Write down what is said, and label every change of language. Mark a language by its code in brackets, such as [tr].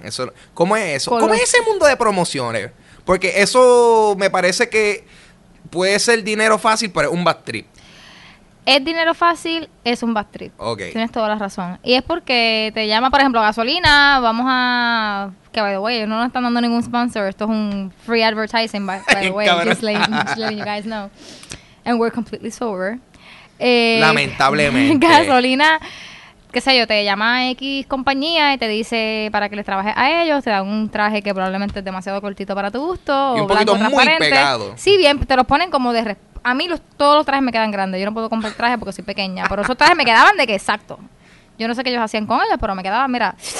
[es] Eso, ¿cómo es eso? ¿Cómo es ese mundo de promociones? Porque eso me parece que puede ser dinero fácil, pero es un bad trip. Es dinero fácil, es un bad trip. [en] Okay. [es] Tienes toda la razón. Y es porque te llama, por ejemplo, gasolina, vamos a... Que, [en] by the way, [es] no nos están dando ningún sponsor. Esto es un [en] free advertising, by the way. Just letting you guys know. And we're completely sober. [es] Lamentablemente. Gasolina, qué sé yo, te llama X compañía y te dice para que les trabajes a ellos. Te dan un traje que probablemente es demasiado cortito para tu gusto. Y un poquito muy pegado. Sí, bien, te los ponen como de... A mí todos los trajes me quedan grandes. Yo no puedo comprar trajes porque soy pequeña. Pero esos trajes me quedaban de que exacto. Yo no sé qué ellos hacían con ellos, pero me quedaban, mira.